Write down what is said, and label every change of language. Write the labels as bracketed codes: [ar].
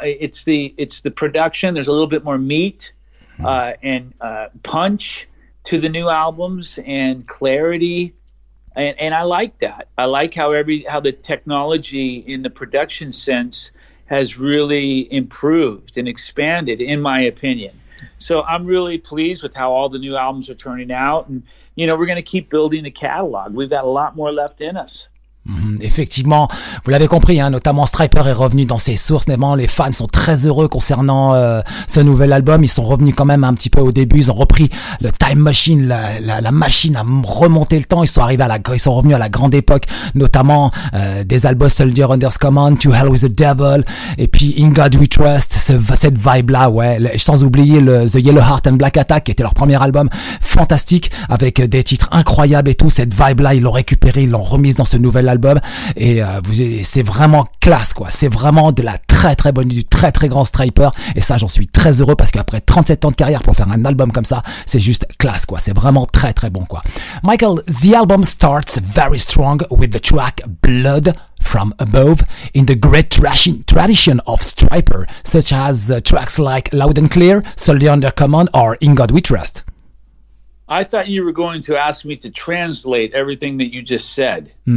[en] It's the production, there's a little bit more meat and punch to the new albums and clarity, and I like that. I like how the technology in the production sense has really improved and expanded, in my opinion. So I'm really pleased with how all the new albums are turning out, and, you know, we're going to keep building the catalog. We've got a lot more left in us. [fr] Effectivement, vous l'avez compris, hein, notamment Striper est revenu dans ses sources. Notamment, les fans sont très heureux concernant ce nouvel album. Ils sont revenus quand même un petit peu au début. Ils ont repris le [en] time machine, [fr] la machine à remonter le temps. Ils sont revenus à la grande époque, notamment des albums Soldier Under Command, To Hell with the Devil, et puis In God We Trust. Cette vibe là, ouais. Sans oublier The Yellow Heart and Black Attack, qui était leur premier album, fantastique, avec des titres incroyables et tout. Cette vibe là, ils l'ont récupéré, ils l'ont remise dans ce nouvel album. l'album. Et c'est vraiment classe, quoi. C'est vraiment de la très très bonne, du très très grand Stryper. Et ça, j'en suis très heureux parce qu'après 37 ans de carrière pour faire un album comme ça, c'est juste classe, quoi. C'est vraiment très très bon, quoi. [en] Michael, the album starts very strong with the track Blood from Above in the great tradition of Stryper, such as tracks like Loud and Clear, Soldier Under Command, or In God We Trust. I thought you were going to ask me to translate everything that you just said.